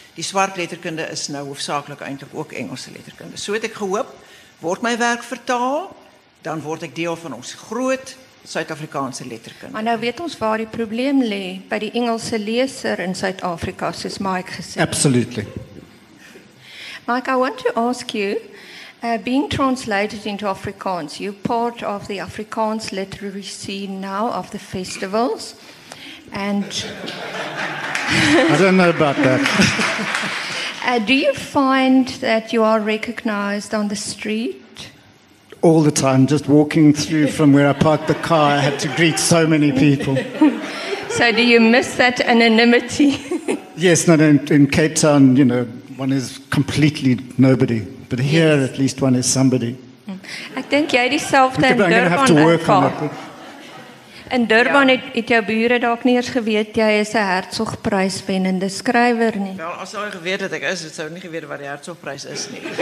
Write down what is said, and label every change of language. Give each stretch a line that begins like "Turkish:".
Afrikaans: Die swart letterkunde is nou hoofsaaklik eintlik ook Engelse letterkunde. So het ek gehoop, word my werk vertaal, dan word ek deel van ons groot Suid-Afrikaanse letterkunde. Maar nou weet ons waar die probleem lê by die Engelse leser in Suid-Afrika, soos Mike gesê.
English: Absolutely. Mike, I want to ask you, being translated into Afrikaans, you're part of the Afrikaans literary scene now of the festivals, and... I don't know about that. Do you find that you are recognized on the street? All the time, just walking through from where I parked the car, I had to greet so many people. So do you miss that anonymity? Yes, not in Cape Town, you know, one is completely nobody. But here, yes, at least one is somebody. I think
Afrikaans: jy dieselfde in Durban.
English: I'm going to have to work on it.
Afrikaans: In Durban het jou bure dalk nie eens geweet jy is 'n Hertzogprys wennende skrywer nie. Wel, as hulle geweet het ek is, het sou nie geweet wat die Hertzogprys is nie.